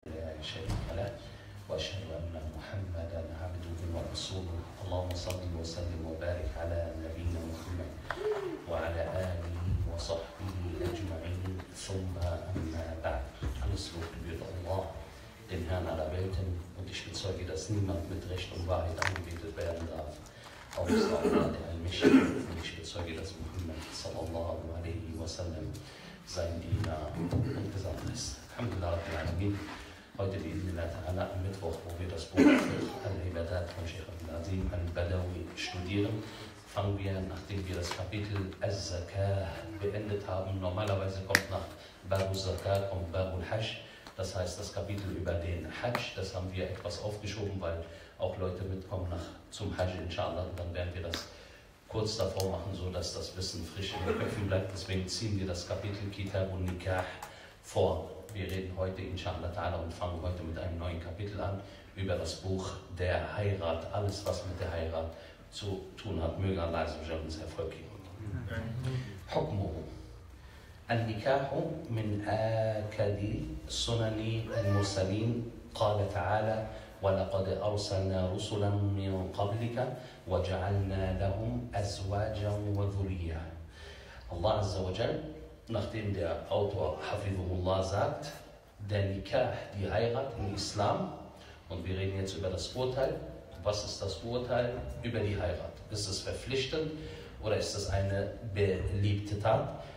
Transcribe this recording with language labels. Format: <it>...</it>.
<ar>وأشهد أن محمدا عبده ورسوله. اللهم صل وسلم وبارك على نبينا محمد وعلى آله وصحبه أجمعين. ثم أما بعد، أنصرف بيد الله</ar> <de>den Herrn aller Welten, und ich bezeuge, dass niemand mit Recht und Wahrheit angebetet werden darf, außer Allah der Allmächtige. Und ich bezeuge, dass Muhammad</de> <ar>sallallahu alaihi wa sallam</ar> <de>sein Diener und Gesandter ist.</de> <ar>Alhamdulillah rabbil alamin.</ar> <de>Heute</de> <ar>bi'idhnillah ta'ala</ar> <de>am Mittwoch, wo wir das Buch Al-Ibadat von Sheikh Abdul Azim al-Badawi studieren, fangen wir, nachdem wir das Kapitel Az-Zakah beendet haben. Normalerweise kommt nach Babu Zakah kommt Babu al-Hajj. Das heißt, das Kapitel über den Hajj, das haben wir etwas aufgeschoben, weil auch Leute mitkommen zum Hajj, inshallah. Dann werden wir das kurz davor machen, sodass das Wissen frisch in den Köpfen bleibt. Deswegen ziehen wir das Kapitel Kitab und Nikah vor. Wir reden heute, inshallah ta'ala, und fangen heute mit einem neuen Kapitel an, über das Buch der Heirat, alles, was mit der Heirat zu tun hat. Möge Allah uns Erfolg geben. Hukmu.</de> <ar>النكاح من آكد سنن المرسلين قال تعالى ولقد أرسلنا رسلا من قبلك وجعلنا لهم أزواجا وذرية. الله عز وجل</ar> <de>nachdem der Autor حفظه الله sagt der Nikah, die Heirat im Islam, und wir reden jetzt über das Urteil. Was ist das Urteil über die Heirat? Ist es verpflichtend oder ist es eine beliebte Tat?</de>